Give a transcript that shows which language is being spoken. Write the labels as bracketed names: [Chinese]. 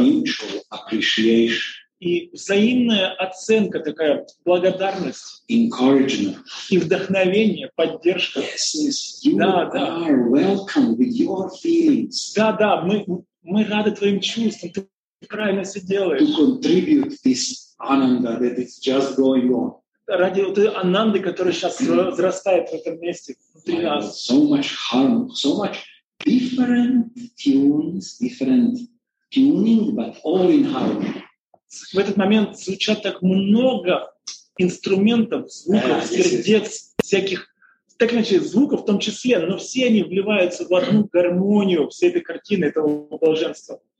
[English] Mutual appreciation. [Russian] И взаимная оценка, такая благодарность. [English] Encouragement. [Russian] И вдохновение, поддержка. [English] Yes, you are welcome with your feelings. [Russian] Да, мы рады твоим чувствам, ты правильно все делаешь. [English] To contribute this ananda that is just going on. [Russian] Ради вот ананды, которая сейчас взрастает в этом месте внутри нас. [English] So much harm, so much different tuning, but all in harmony. [Russian] В этот момент звучат так много инструментов, звуков, сердец, всяких, так иначе, звуков в том числе, но все они вливаются в одну гармонию всей этой картины, этого блаженства.